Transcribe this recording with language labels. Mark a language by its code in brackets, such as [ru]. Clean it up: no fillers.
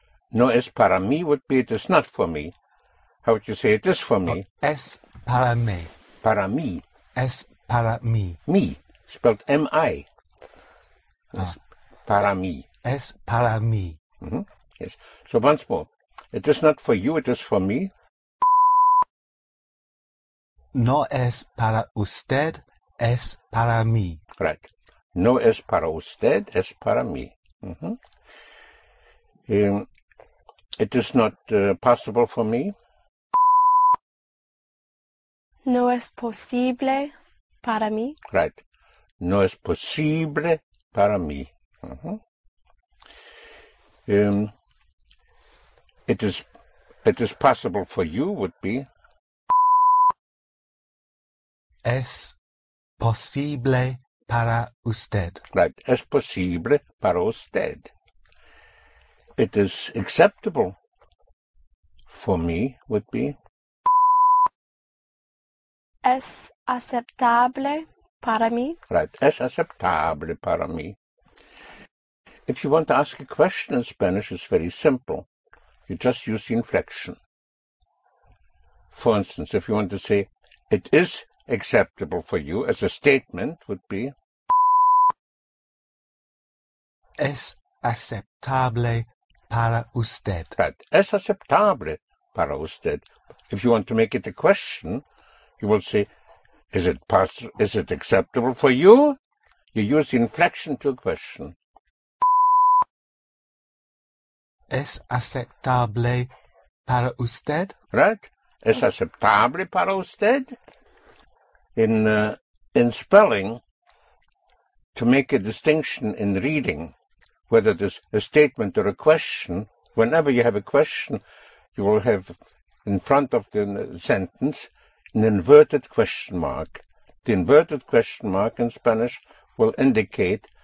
[es] No es para mí [en] would be it is not for me. How would you say it is for me? [es] Es para mí. Para mí. Es para mí. Mí. Spelled M-I. Para mí. Es para mí. [en] Mm-hmm. Yes. So once more, it is not for you, it is for me. [es] No es para usted, es para mí. [en] Right. [es] No es para usted, es para mí. Mm-hmm. [en] It is not possible for me. [es] No es posible para mí. Right. No es posible para mí. Mm-hmm. [en] It is possible for you would be [es] es posible para usted. Right, es posible para usted. [en] It is acceptable for me would be [es] es aceptable para mí. Right, es aceptable para mí. [en] If you want to ask a question in Spanish, it's very simple. You just use the inflection. For instance, if you want to say, it is acceptable for you, as a statement would be, [es] es aceptable para usted. [en] Right. [es] Es aceptable para usted. [en] If you want to make it a question, you will say, is it acceptable for you? You use the inflection to a question. [es] Es aceptable para usted? [en] Right. [es] Es aceptable para usted? [en] In spelling, to make a distinction in reading, whether it is a statement or a question, whenever you have a question, you will have in front of the sentence an inverted question mark. The inverted question mark in Spanish will indicate